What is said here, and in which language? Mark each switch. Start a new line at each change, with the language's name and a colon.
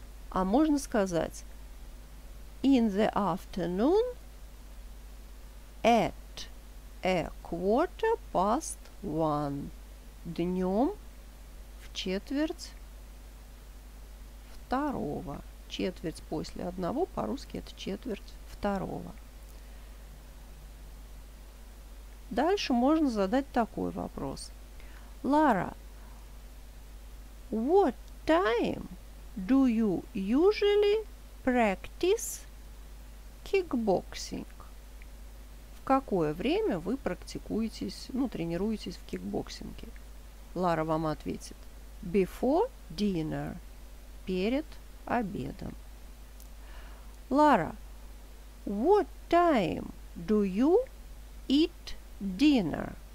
Russian: А можно сказать
English: in the afternoon at 1:15.
Russian: Днём в четверть второго. Четверть после одного, по-русски это четверть второго. Дальше можно задать такой вопрос.
English: Лара, what time do you usually practice kickboxing?
Russian: В какое время вы практикуетесь, ну, тренируетесь в кикбоксинге? Лара вам ответит.
English: Before dinner.
Russian: Перед обедом. Лара,
English: what time Do you eat dinner?